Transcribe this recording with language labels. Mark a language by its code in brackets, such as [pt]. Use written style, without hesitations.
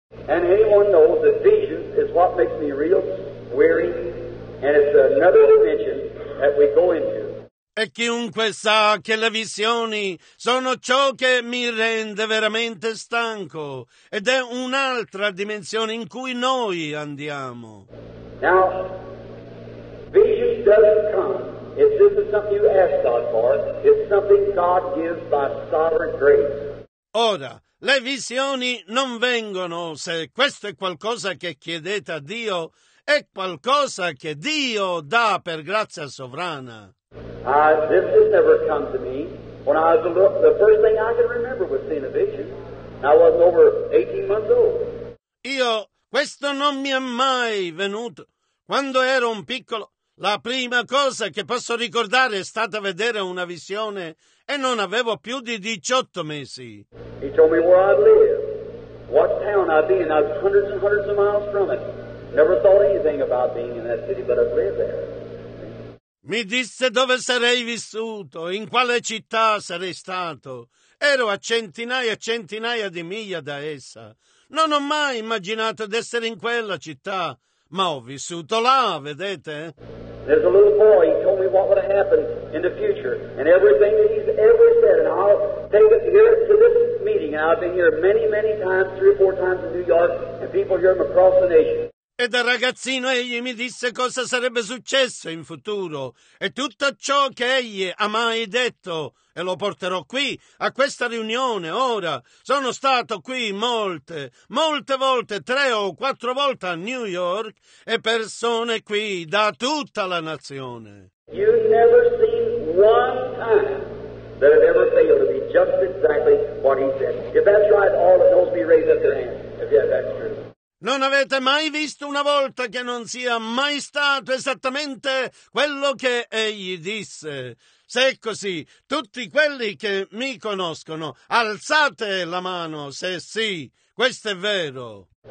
[en] And anyone knows that vision is what makes me real weary, and it's another dimension that we go into. [it] E chiunque sa che le visioni sono ciò che mi rende veramente stanco, ed è un'altra dimensione in cui noi andiamo. [en] Now, vision doesn't come. It's just something you ask God for. It's something God gives by sovereign grace. [it] Ora, le visioni non vengono se questo è qualcosa che chiedete a Dio, è qualcosa che Dio dà per grazia sovrana. [en] This has never come to me. When I was a little, the first thing I can remember was seeing a vision. I was over 18 months old. [it] Io, questo non mi è mai venuto. Quando ero un piccolo, la prima cosa che posso ricordare è stata vedere una visione e non avevo più di 18 mesi. [en] He told me where I live, what town I'd be in. I was hundreds and hundreds of miles from it. Never thought anything about being in that city, but I've lived there. [it] Mi disse dove sarei vissuto, in quale città sarei stato. Ero a centinaia e centinaia di miglia da essa. Non ho mai immaginato di essere in quella città, ma ho vissuto là, vedete? [en] There's a little boy, he told me what would happen in the future, and everything that he's ever said, and I'll take it here to this meeting, and I've been here many, many times, three or four times in New York, and people hear him across the nation. [it] E da ragazzino egli mi disse cosa sarebbe successo in futuro e tutto ciò che egli ha mai detto. E lo porterò qui, a questa riunione, ora. Sono stato qui molte, molte volte, 3 o 4 volte a New York e persone qui da tutta la nazione. [en] You've never seen one time that it ever failed to be just exactly what he said. If that's right, all of those be raised up their hands. If yeah, that's true. [it] Non avete mai visto una volta che non sia mai stato esattamente quello che egli disse. Se è così, tutti quelli che mi conoscono, alzate la mano se sì, questo è vero.